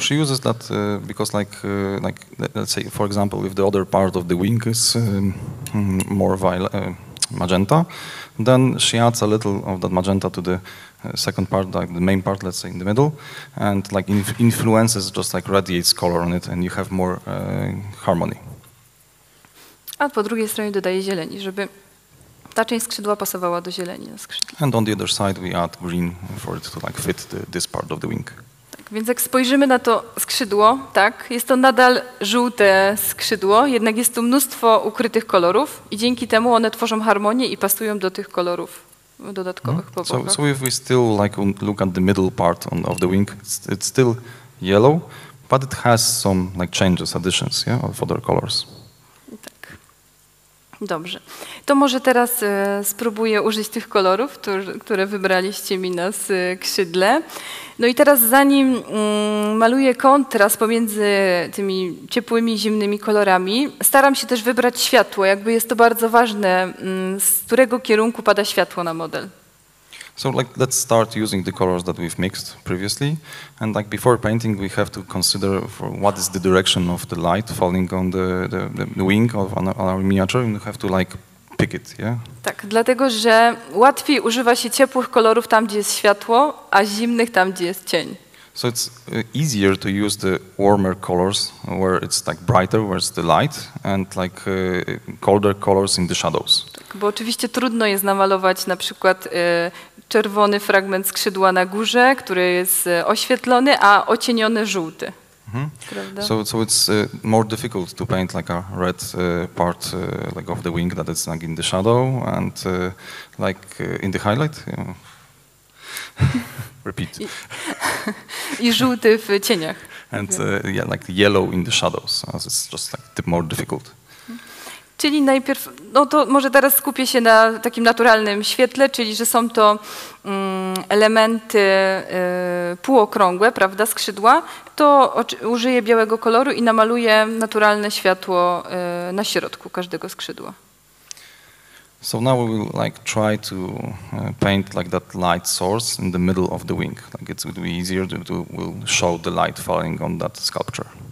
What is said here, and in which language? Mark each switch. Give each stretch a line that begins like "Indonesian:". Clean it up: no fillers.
English: So she uses that because like let's say for example if the other part of the wing is more violet, magenta, then she adds a little of that magenta to the second part, like the main part, let's say in the middle, and like influences, just like radiates color on it, and you have more harmony.
Polish: A po drugiej stronie dodaje zieleni, żeby ta część skrzydła pasowała do zieleni na skrzydle.
English: And on the other side we add green for it to like fit this part of the wing.
Polish: Tak, więc jak spojrzymy na to skrzydło, tak, jest to nadal żółte skrzydło, jednak jest tu mnóstwo ukrytych kolorów i dzięki temu one tworzą harmonię i pasują do tych kolorów dodatkowych po bokach.
English: So if we still like look at the middle part of the wing, it's still yellow, but it has some like changes, additions, yeah, of other colors.
Polish: Tak. Dobrze. To może teraz spróbuję użyć tych kolorów, które wybraliście mi na skrzydle. No i teraz zanim maluję kontrast pomiędzy tymi ciepłymi, zimnymi kolorami, staram się też wybrać światło. Jakby jest to bardzo ważne, z którego kierunku pada światło na model.
English: So like let's start using the colors that we've mixed previously. And like before painting we have to consider for what is the direction of the light falling on the wing of our miniature. And we have to like pick it, yeah?
Polish: Tak, dlatego że łatwiej używa się ciepłych kolorów tam, gdzie jest światło, a zimnych tam, gdzie jest cień.
English: So it's easier to use the warmer colors where it's like brighter, where it's the light, and like colder colors in the shadows.
Polish: Tak, bo oczywiście trudno jest namalować na przykład czerwony fragment skrzydła na górze, który jest oświetlony, a ocieniony żółty. Mm-hmm.
English: So it's more difficult to paint like a red part like of the wing that is like in the shadow and like in the highlight. Yeah. Repeat.
Polish: I żółty w cieniach.
English: And yeah, like yellow in the shadows. So it's just like the more difficult.
Polish: Czyli najpierw, no to może teraz skupię się na takim naturalnym świetle, czyli że są to elementy półokrągłe, prawda, skrzydła, to użyję białego koloru i namaluję naturalne światło na środku każdego skrzydła.
English: So now we will like try to paint like that light source in the middle of the wing. Like it would be easier to we'll show the light falling on that sculpture.